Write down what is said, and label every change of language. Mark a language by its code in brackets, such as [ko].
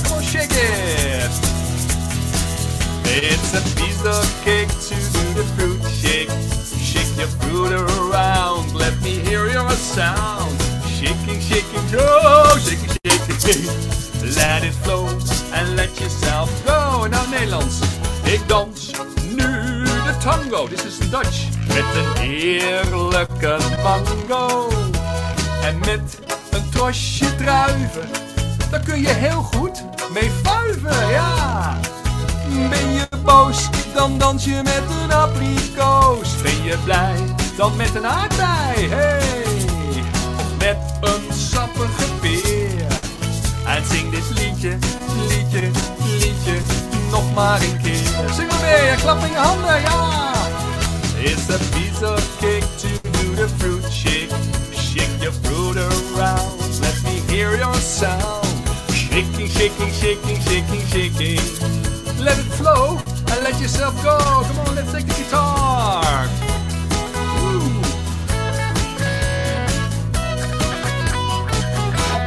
[en] Come on, shake it. It's a piece of cake to do the fruit shake. Shake your fruit around. Let me hear your sound. Shaking, shaking, oh, shaking, shaking, shaking. Let it flow and let yourself go. [nl] Now Nederlands. Ik dans nu de tango. [en] This is in Dutch. [nl] Met een heerlijke mango. En met een trosje druiven, daar kun je heel goed mee fuiven, ja. Ben je boos, dan dans je met een abrikoos. Ben je blij, dan met een aardbei, hey. Met een sappige peer. En zing dit liedje, liedje, liedje, nog maar een keer. Zing maar mee, klap in je handen, ja. [en] It's a piece of cake to do the fruit shake. Shake your fruit around, let me hear your sound. Shaking, shaking, shaking, shaking, shaking. Let it flow and let let yourself go. Come on, let's take the guitar.